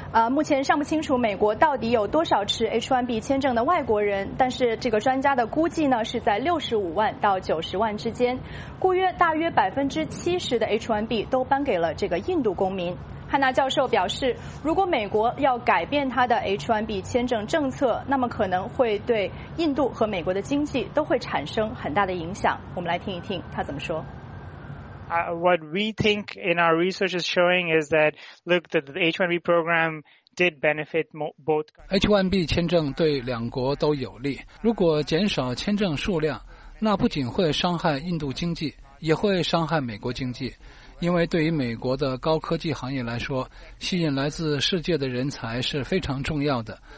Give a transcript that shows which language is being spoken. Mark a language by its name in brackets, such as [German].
[Chinese] 目前尚不清楚美国到底有多少持 H1B 签证的外国人，但是这个专家的估计呢是在65万到90万之间，故约大约70%的 H1B 都颁给了这个印度公民。汉娜教授表示，如果美国要改变它的 H1B 签证政策，那么可能会对印度和美国的经济都会产生很大的影响。我们来听一听他怎么说。 [English] What we think in our research is showing is that, look, that the H1B program did benefit both countries. [Chinese] H1B 签证对两国都有利。如果减少签证数量，那不仅会伤害印度经济，也会伤害美国经济。因为对于美国的高科技行业来说，吸引来自世界的人才是非常重要的。